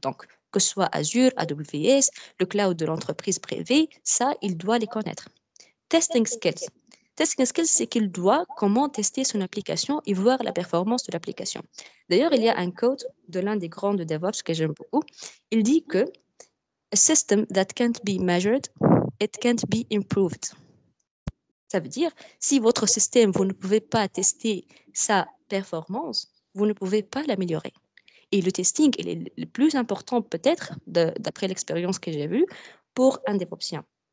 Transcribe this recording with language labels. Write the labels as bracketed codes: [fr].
[fr] Donc, que ce soit Azure, AWS, le cloud de l'entreprise privée, ça, il doit les connaître. Testing skills. Testing skills, c'est qu'il doit comment tester son application et voir la performance de l'application. D'ailleurs, il y a un code de l'un des grands de DevOps que j'aime beaucoup. Il dit que [en] « A system that can't be measured » It can't be improved. [fr] Ça veut dire, si votre système, vous ne pouvez pas tester sa performance, vous ne pouvez pas l'améliorer. Et le testing, il est le plus important, peut-être, d'après l'expérience que j'ai vue, pour un DevOpsien.